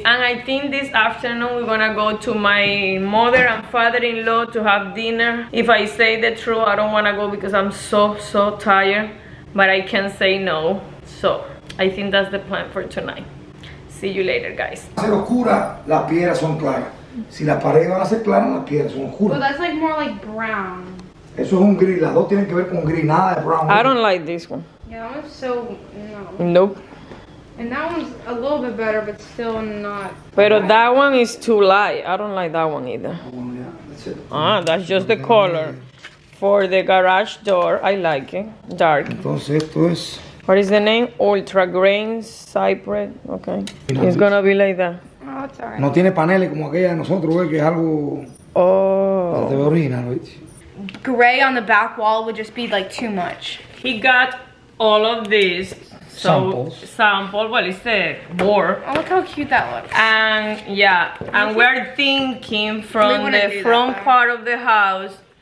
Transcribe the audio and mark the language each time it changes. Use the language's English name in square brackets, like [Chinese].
[English] And I think this afternoon we're gonna go to my mother and father-in-law to have dinner. If I say the truth, I don't wanna go because I'm so, so tired. But I can't say no. So I think that's the plan for tonight. See you later, guys. [Spanish] Si es oscura, las piedras son claras. Si las paredes van a ser claras, las piedras son oscuras. [English] But that's like more like brown. [Spanish] Eso es un gris. Las dos tienen que ver con gris. Nada de brown. [English] I don't like this one. Yeah, that one's so... No. Nope. And that one's a little bit better, but still not... [Spanish] Pero [English] that one is too light. I don't like that one either. Yeah, that's it. That's just the color. For the garage door, I like it. Dark. [Spanish] Entonces esto es... [English] What is the name? Ultra Grain Cypress. Okay. It's gonna be like that. Oh, it's alright. [Spanish] No tiene paneles como aquella de nosotros, que es algo. [English] Oh. Original, gray on the back wall would just be like too much. He got all of these. So samples. Well, it's a board. Oh, look how cute that looks. And yeah, and we're thinking from the front part of the house.